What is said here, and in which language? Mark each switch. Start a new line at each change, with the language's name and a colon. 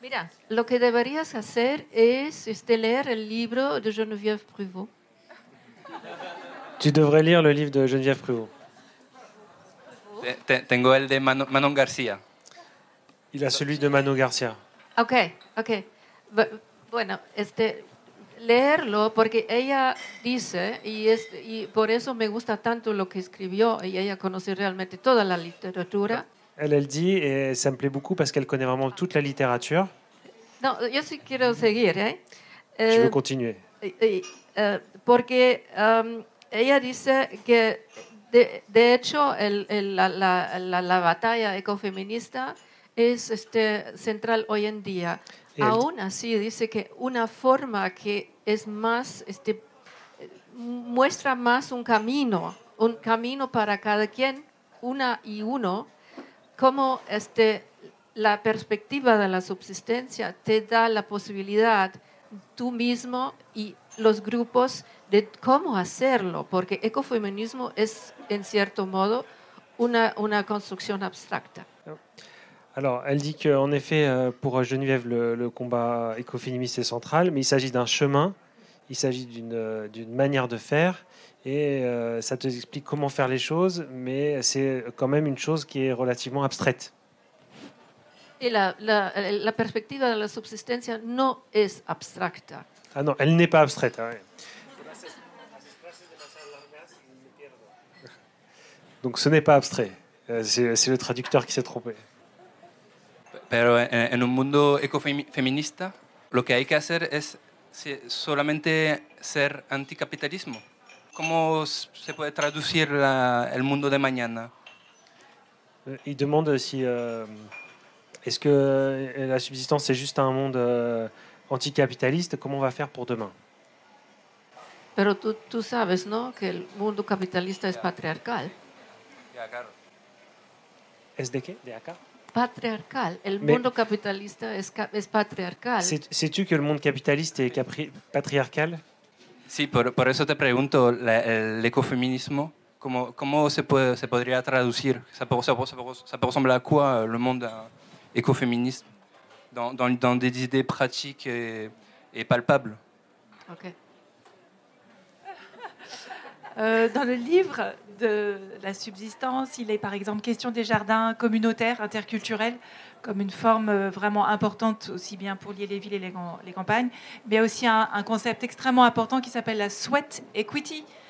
Spanish: Mira, lo que deberías hacer es leer el libro de Geneviève Prouvot.
French: Tu devrais lire le livre de Geneviève Prouvot.
Spanish: Tengo el de Manon García.
French: Il a celui de Manon García. Ok.
Spanish: Bueno, leerlo porque ella dice y por eso me gusta tanto lo que escribió y ella conoce realmente toda la literatura.
French: Elle dit et ça me plaît beaucoup parce qu'elle connaît vraiment toute la littérature.
Spanish: Non, yo sí quiero seguir, ¿eh?
French: Je veux continuer.
Spanish: Porque ella dice que de hecho la batalla ecofeminista es central hoy en día.
French: Et aún elle...
Spanish: así dice que una forma que es más muestra más un camino para cada quien, una y uno, como la perspectiva de la subsistencia te da la posibilidad tú mismo y los grupos de cómo hacerlo, porque ecofeminismo es en cierto modo una construcción abstracta.
French: Alors, elle dit que en effet pour Geneviève le combat écoféministe est central, mais il s'agit d'un chemin, il s'agit d'une manière de faire et ça te explique comment faire les choses, mais c'est quand même une chose qui est relativement abstraite. Et la perspective de la
Spanish: subsistencia no es abstracta.
French: Ah non, elle n'est pas abstraite. Ouais. Donc ce n'est pas abstrait. C'est le traducteur qui s'est trompé.
Spanish: Pero en un mundo ecofeminista, lo que hay que hacer es solamente ser anticapitalismo. ¿Cómo se puede traducir el mundo de mañana?
French: Il demande si est-ce que la subsistance c'est juste un monde anticapitaliste, comment on va faire pour demain?
Spanish: Pero tú sabes, ¿no?, que el mundo capitalista es patriarcal. ¿Es de qué? ¿De acá? Patriarcal. El mundo capitalista es patriarcal.
French: Sais-tu que le monde capitaliste est patriarcal?
Spanish: Sí, por eso te pregunto, el ecofeminismo, ¿cómo se podría traducir?
French: ¿Ça peut ressembler à quoi, le monde écoféministe, dans des idées pratiques et palpables? Ok. Dans le livre de la subsistance, il est par exemple question des jardins communautaires, interculturels, comme une forme vraiment importante aussi bien pour lier les villes et les campagnes, mais aussi un concept extrêmement important qui s'appelle la sweat equity,